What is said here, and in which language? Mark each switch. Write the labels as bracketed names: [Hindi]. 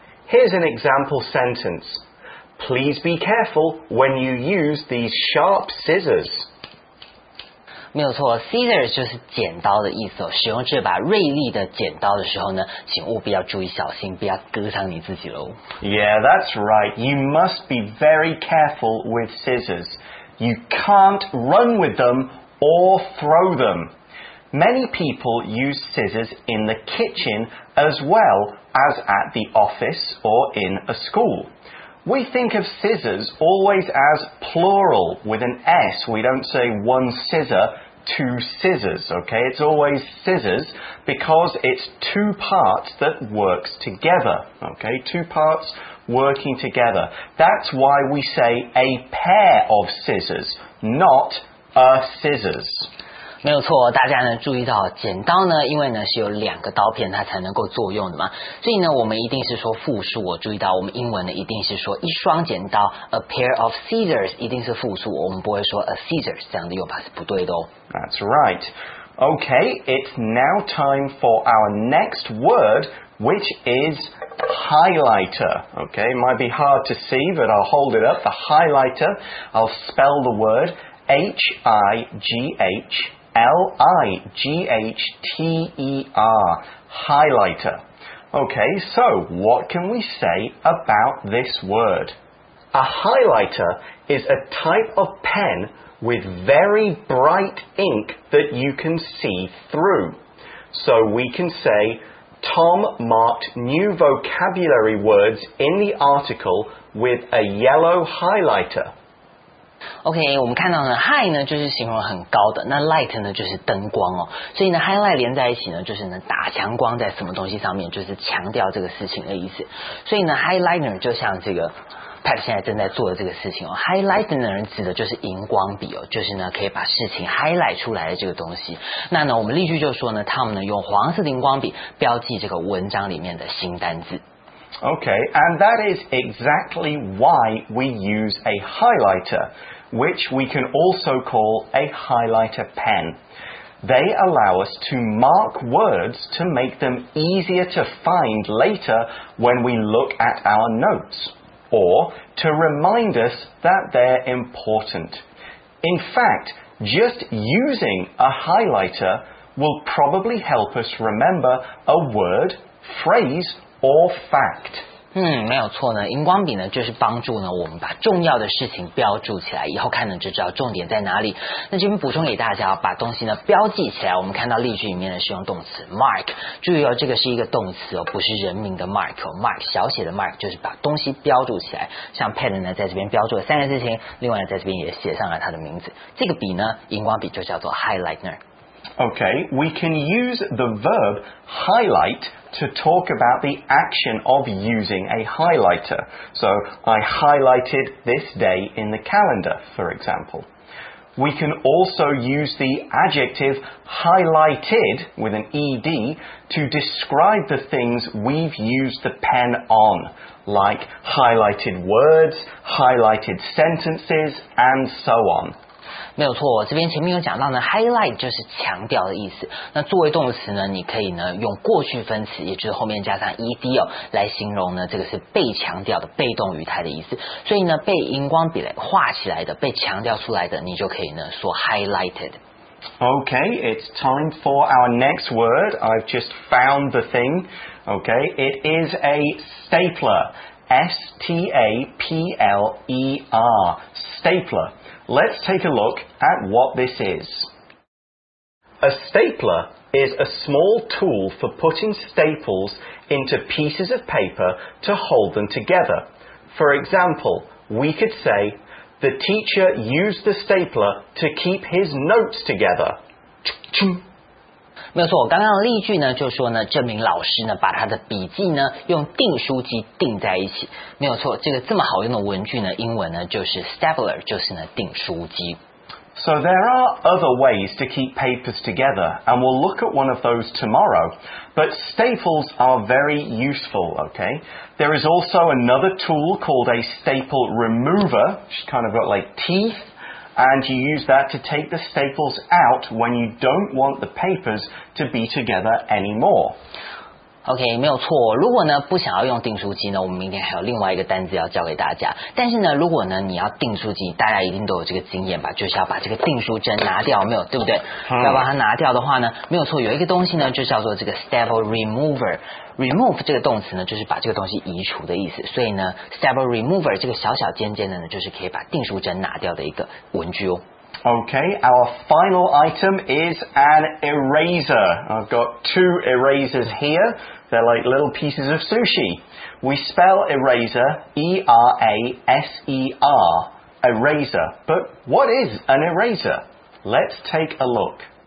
[English] Here's an example sentence. Please be careful when you use these sharp scissors. [Chinese] 没有错 ,scissors 就是剪刀的意思哦。使用这把锐利的剪刀的时候呢，请务必要注意小心，不要割伤你自己咯。 [English] Yeah, that's right. You must be very careful with scissors. You can't run with them or throw them. Many people use scissors in the kitchen as well as at the office or in a school. We think of scissors always as plural with an S. We don't say one scissor, two scissors, okay? It's always scissors because it's two parts that works together, okay? Two parts working together. That's why we say a pair of scissors, not a scissors. [Chinese] 没有错，大家呢注意到，剪刀呢，因为呢是有两个刀片，它才能够作用的嘛，所以呢，我们一定是说复数。我注意到，我们英文呢一定是说一双剪刀 ， [English] a pair of scissors， [Chinese] 一定是复数，我们不会说 [English] a scissors， [Chinese] 这样的用法是不对的哦。 [English] That's right. Okay, it's now time for our next word, which is highlighter. Okay, might be hard to see, but I'll hold it up. The highlighter. I'll spell the word H-I-G-H. L-I-G-H-T-E-R, highlighter. Okay, so what can we say about this word? A highlighter is a type of pen with very bright ink that you can see through. So we can say, Tom marked new vocabulary words in the article with a yellow highlighter. [Chinese] OK, 我们看到呢 high 呢就是形容很高的，那 light 呢就是灯光哦，所以呢 highlight 连在一起呢就是呢打强光在什么东西上面，就是强调这个事情的意思，所以呢 highlighter 就像这个 Pat 现在正在做的这个事情哦， highlighter 指的就是荧光笔哦，就是呢可以把事情 highlight 出来的这个东西，那呢我们例句就说呢 Tom 呢用黄色的荧光笔标记这个文章里面的新单字。 [English] Okay, and that is exactly why we use a highlighter, which we can also call a highlighter pen. They allow us to mark words to make them easier to find later when we look at our notes, or to remind us that they're important. In fact, just using a highlighter will probably help us remember a word, phrase,Or fact. [Chinese] 没有错呢。荧光笔呢，就是帮助呢我们把重要的事情标注起来，以后看呢就知道重点在哪里。那这边补充给大家，把东西呢标记起来。我们看到例句里面呢是用动词 mark， 注意哦，这个是一个动词哦，不是人名的 mark、哦。 mark 小写的 mark 就是把东西标注起来。像 pen 呢在这边标注了三个事情，另外呢在这边也写上了它的名字。这个笔呢，荧光笔就叫做 highlighter。 [English] Okay, we can use the verb highlight to talk about the action of using a highlighter. So, I highlighted this day in the calendar, for example. We can also use the adjective highlighted with an ed to describe the things we've used the pen on, like highlighted words, highlighted sentences, and so on. [Chinese] 没有错，我这边前面有讲到呢 ，highlight 就是强调的意思。那作为动词呢，你可以呢用过去分词，也就是后面加上 ed 哦，来形容呢这个是被强调的被动语态的意思。所以呢，被荧光笔来画起来的、被强调出来的，你就可以呢说 highlighted。 [English] Okay, it's time for our next word. I've just found the thing. Okay, it is a stapler. S-T-A-P-L-E-R, stapler. let's take a look at what this is. A stapler is a small tool for putting staples into pieces of paper to hold them together. For example, we could say, the teacher used the stapler to keep his notes together. [Chinese] 没有错，我刚刚的例句呢，就说呢，这名老师呢，把他的笔记呢，用订书机订在一起。没有错，这个这么好用的文具呢，英文呢，就是 stapler， 就是呢，订书机。 [English] So there are other ways to keep papers together, and we'll look at one of those tomorrow. But staples are very useful, okay? There is also another tool called a staple remover, which is kind of got like teeth, and you use that to take the staples out when you don't want the papers to be together anymore. [Chinese] OK, 没有错，如果呢不想要用订书机呢，我们明天还有另外一个单字要教给大家。但是呢，如果呢你要订书机，大家一定都有这个经验吧，就是要把这个订书针拿掉，没有，对不对？要把它拿掉的话呢，没有错，有一个东西呢就叫做这个 staple remover。 Remove 这个动词呢，就是把这个东西移除的意思。所以呢 ，staple remover 这个小小尖尖的呢，就是可以把订书针拿掉的一个文具哦。 [English] Okay, our final item is an eraser. I've got two erasers here. They're like little pieces of sushi. We spell eraser, E-R-A-S-E-R, eraser. But what is an eraser? Let's take a look.